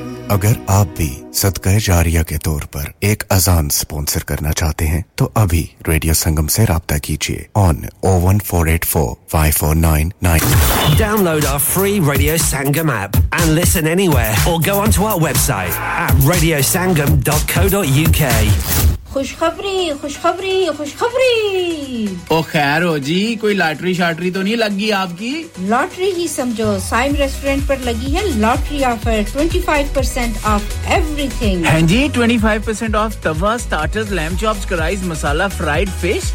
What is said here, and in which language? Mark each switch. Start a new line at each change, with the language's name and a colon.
Urdu: अगर آپ بھی صدقہ جاریہ کے طور پر ایک اذان سپانسر کرنا چاہتے ہیں تو ابھی ریڈیو سنگم سے رابطہ کیجئے
English: on 01484-5499 Download our free Radio Sangam app and listen anywhere or go onto our website at radiosangam.co.uk
Urdu: خوشخبری او خیر ہو جی کوئی لاٹری شاٹری تو نہیں لگ گی آپ کی لاٹری ہی سمجھو سائم ریسٹورنٹ پر لگی ہے lottery offer 25%
English: off everything
Urdu: ہاں جی 25% آف توا سٹارٹرز لیم چاپس کرائز مسالہ فرائیڈ فش